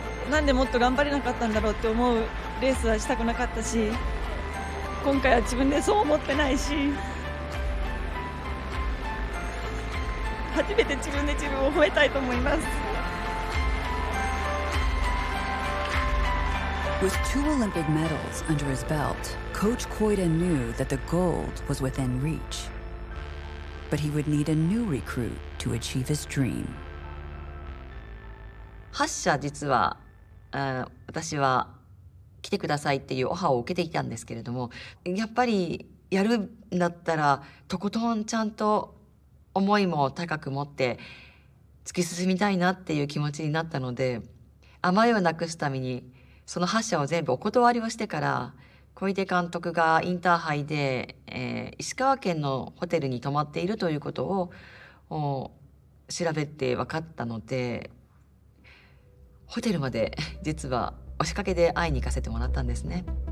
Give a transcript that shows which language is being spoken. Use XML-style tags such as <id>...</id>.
<ja>なんでもっと頑張れなかったんだろうって思うレースはしたくなかったし、今回は自分でそう思ってないし、初めて自分で自分を褒めたいと思います。</ja> <en>With two Olympic medals under his belt, Coach Koiden knew that the gold was within reach. But he would need a new recruit to achieve his dream.</en> <ja>8社実は私は来てくださいっていうオファーを受けていたんですけれども、やっぱりやるんだったらとことんちゃんと思いも高く持って突き進みたいなっていう気持ちになったので、甘えをなくすためにその8社を全部お断りをしてから、小出監督がインターハイで、石川県のホテルに泊まっているということを調べて分かったので、ホテルまで実は押しかけで会いに行かせてもらったんですね。</ja>